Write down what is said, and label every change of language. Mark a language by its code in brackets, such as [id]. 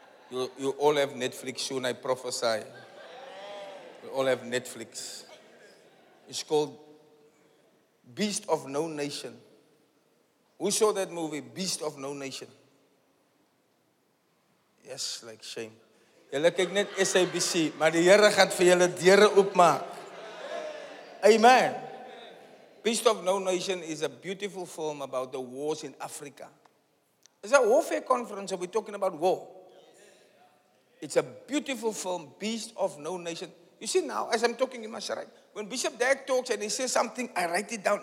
[en] You all have Netflix soon, I prophesy. You all have Netflix. It's called Beast of No Nation. Who saw that movie, Beast of No Nation? Yes, like shame. [af] Julle kyk net SABC, maar die Here gaan vir julle deure oopmaak. Amen. [en] Beast of No Nation is a beautiful film about the wars in Africa. It's a warfare conference, and we're talking about war. It's a beautiful film, Beast of No Nation. You see now, as I'm talking, you must write. When Bishop Dag talks and he says something, I write it down.